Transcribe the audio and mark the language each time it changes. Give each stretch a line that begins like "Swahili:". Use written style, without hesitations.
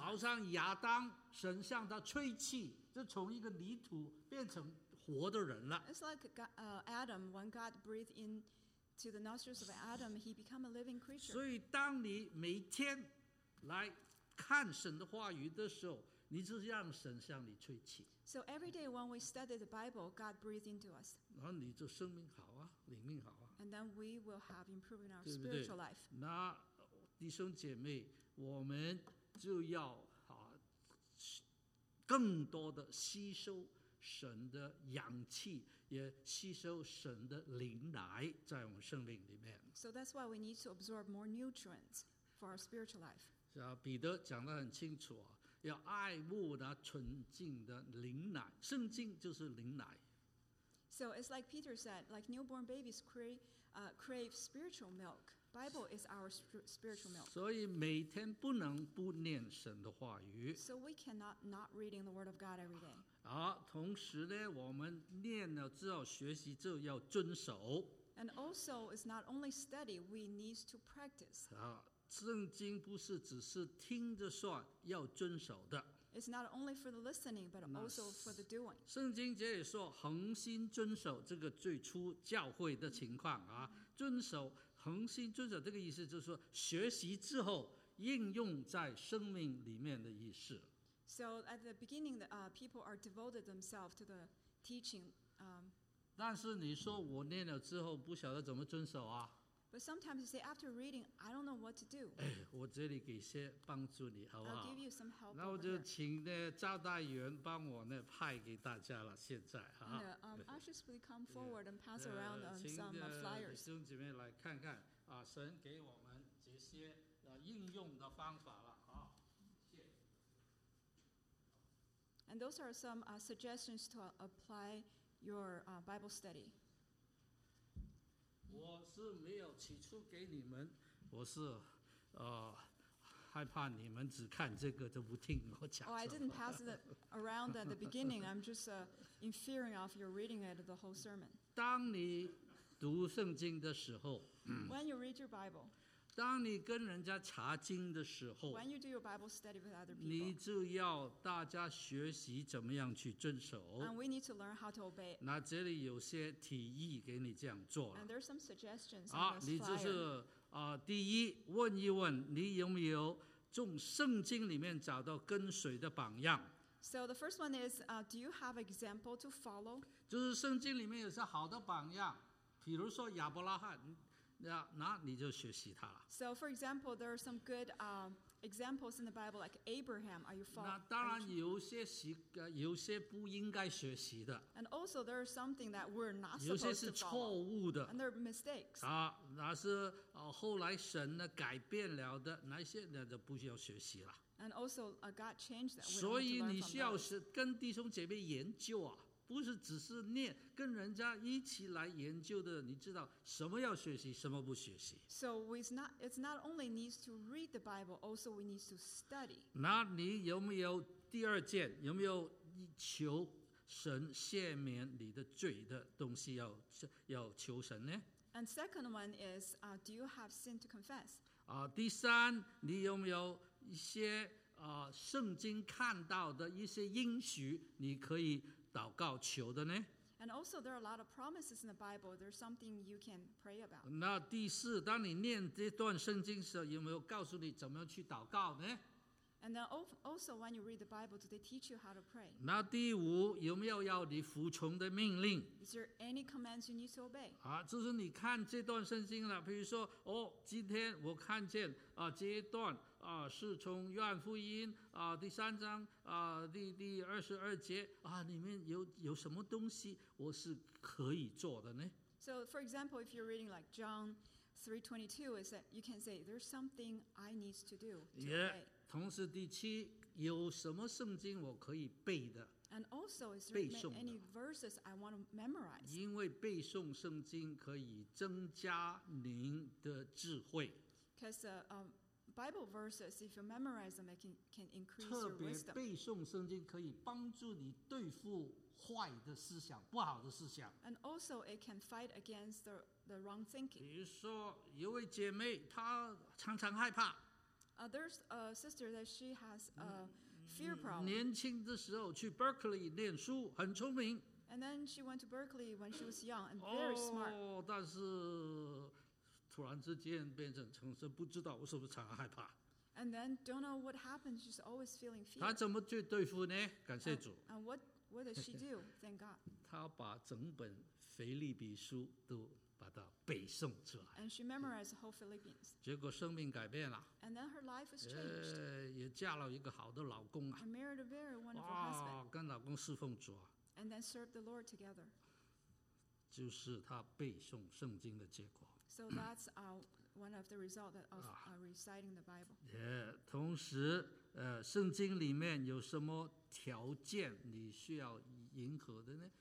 Chinese: 好像亚当，神向他吹气，就从一个泥土变成活的人了。
English: It's like Adam, when God breathed into the nostrils of Adam, he became a living creature.
Chinese: 所以当你每天来看神的话语的时候，你就是让神向你吹气。
English: So every day when we study the Bible, God breathes into us.
Chinese: 然后你就生命好啊，灵命好啊。
English: And then we will have improved our spiritual life.
Chinese: 那弟兄姐妹，我们就要更多的吸收神的阳气，也吸收神的灵来在我们生命里面。
English: So that's why we need to absorb more nutrients for our spiritual life.
Chinese: 彼得讲得很清楚啊，要爱慕那纯净的灵奶，圣经就是灵奶。
English: So it's like Peter said, like newborn babies crave spiritual milk. Bible is our spiritual milk.
Chinese: 所以每天不能不念神的话语。
English: So we cannot not reading the word of God every day.
Chinese: 同时呢，我们念了之后学习之后要遵守。
English: And also, it's not only study, we need to practice.
Chinese: 圣经不是只是听着算，要遵守的。
English: It's not only for the listening, but also for the doing.
Chinese: 圣经节也说，恒心遵守这个最初教会的情况啊，遵守恒心遵守这个意思就是说，学习之后应用在生命里面的意思。
English: So at the beginning, people are devoted themselves to the teaching.
Chinese: 但是你说我念了之后不晓得怎么遵守啊。
English: But sometimes you say after reading, I don't know what to do.
Chinese: 哎，我这里给些帮助你，好不好
English: ？I'll give you some help.
Chinese: 那我就请呢赵大元帮我呢派给大家了，现在哈。
English: Yeah, ushers will come forward and pass around some flyers.
Chinese: 请弟兄姐妹来看看啊，神给我们这些应用的方法了啊。
English: And those are some suggestions to apply your Bible study.
Chinese: 我是没有起初给你们，我是害怕你们只看这个都不听我讲。
English: Oh, I didn't pass it around at the beginning. I'm just in fear of your reading it the whole sermon.
Chinese: 当你读圣经的时候
English: ，When you read your Bible.
Chinese: 当你跟人家查经的时候
English: ，When you do your Bible study with other people.
Chinese: 你就要大家学习怎么样去遵守。
English: And we need to learn how to obey.
Chinese: 那这里有些提议给你这样做了。
English: And there's some suggestions.
Chinese: 好，你就是第一问一问你有没有从圣经里面找到跟随的榜样。
English: So the first one is, do you have an example to follow?
Chinese: 就是圣经里面有些好的榜样。比如说亚伯拉罕，那你就学习他了。
English: So for example, there are some good examples in the Bible, like Abraham. Are you following?
Chinese: 那当然有些有些不应该学习的。
English: And also, there is something that we're not supposed to follow.
Chinese: 有些是错误的。
English: And there are mistakes.
Chinese: 啊，那是后来神呢改变了的，那些那就不需要学习了。
English: And also, God changed that.
Chinese: 所以你需要是跟弟兄姐妹研究啊。不是只是念，跟人家一起来研究的，你知道什么要学习，什么不学习。
English: So it's not only needs to read the Bible, also we need to study.
Chinese: 那你有没有第二件，有没有求神赦免你的罪的东西要求神呢？
English: And second one is, do you have sin to confess?
Chinese: 第三，你有没有一些圣经看到的一些应许，你可以祷告求的呢？
English: And also there are a lot of promises in the Bible. There's something you can pray about.
Chinese: 那第四，当你念这段圣经时，有没有告诉你怎么样去祷告呢？
English: And then also when you read the Bible, do they teach you how to pray?
Chinese: 那第五，有没有要你服从的命令？
English: Is there any commands you need to obey?
Chinese: 就是你看这段圣经了，比如说，哦，今天我看见这一段是从约翰福音第三章第二十二节里面有什么东西我是可以做的呢？
English: So for example, if you're reading like John 3:22, is that you can say there's something I need to do today.
Chinese: Yeah, 同时第七，有什么圣经我可以背的？
English: And also, is there any verses I want to memorize?
Chinese: 因为背诵圣经可以增加您的智慧。
English: Because Bible verses, if you memorize them, it can increase your wisdom.
Chinese: 特别背诵圣经可以帮助你对付坏的思想，不好的思想。
English: And also, it can fight against the wrong thinking.
Chinese: 比如说，有位姐妹，她常常害怕。
English: There's a sister that she has a fear problem.
Chinese: 年轻的时候去 Berkeley 念书，很聪明。
English: And then she went to Berkeley when she was young and very smart.
Chinese: 但是突然之间变成重生，不知道我是不是常常害怕。
English: And then don't know what happens, she's always feeling fear.
Chinese: 她怎么去对付呢？感谢主。
English: And what does she do? Thank God.
Chinese: 她把整本腓立比书都把它背诵出来。
English: And she memorized the whole Philippians.
Chinese: 结果生命改变了。
English: And then her life was changed.
Chinese: 也嫁了一个好的老公啊。
English: And married a very wonderful husband.
Chinese: 跟老公侍奉主啊。
English: And then served the Lord together.
Chinese: 就是她背诵圣经的结果。
English: So that's one of the results of reciting the Bible.
Chinese: Yeah, 同时，圣经里面有什么条件你需要迎合的呢？